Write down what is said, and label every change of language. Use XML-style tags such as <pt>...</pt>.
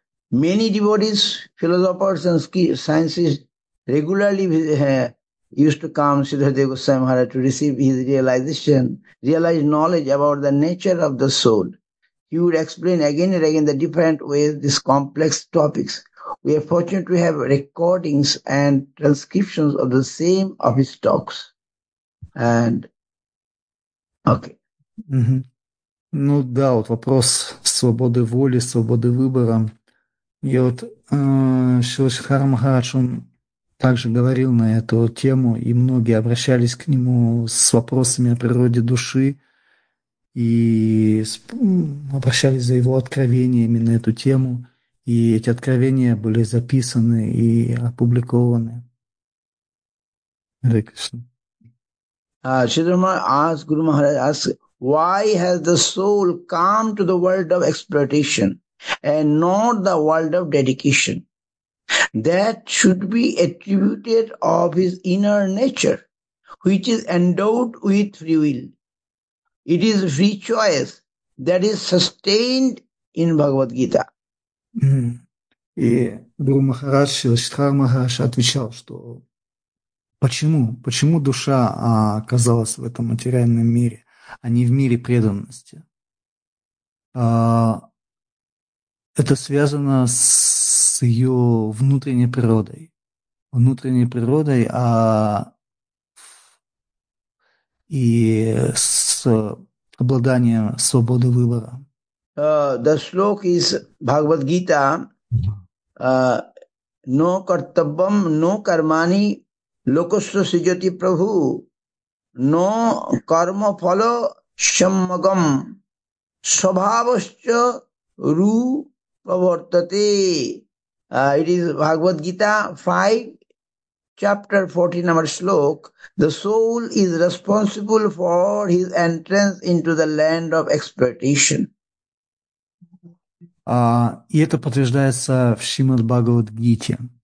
<en>many devotees, philosophers and scientists regularly used to come to Siddhartha Goswami Maharaj to receive his realized knowledge about the nature of the soul. He would explain again and again the different ways, these complex topics. We are fortunate to have recordings and transcriptions of the same of his talks. And</en> <ru>Окей. Ну да, вот вопрос свободы воли, свободы выбора. И вот Шилашхар Махарадж, он также говорил на эту тему, и многие обращались к нему с вопросами о природе души и обращались за его откровениями на эту тему. И эти откровения были записаны и опубликованы. Рекшн.</ru> <en>Ask Guru Maharaj, ask, why has the soul come to the world of exploitation and not the world of dedication? That should be attributed of his inner nature, which is endowed with free will. It is free choice that is sustained in Bhagavad Gita.</en> <ru>И Гуру Махарадж, Шридхар Махарадж отвечал, что почему душа оказалась в этом материальном мире, а не в мире преданности? Это связано с ее внутренней природой. Внутренней природой и с обладанием свободы выбора.</ru> <en>The sloka is Bhagavad Gita,</en> <sa>no kartabham, no karmani, lokasya srijati prabhu, no karma phala shammagam, svabhavascha ru pravartate.</sa> <en>It is Bhagavad Gita 5, chapter 14, number sloka. The soul is responsible for his entrance into the land of exploitation.</en> <ru>И это подтверждается в Шримад Бхагавад-гите.</ru>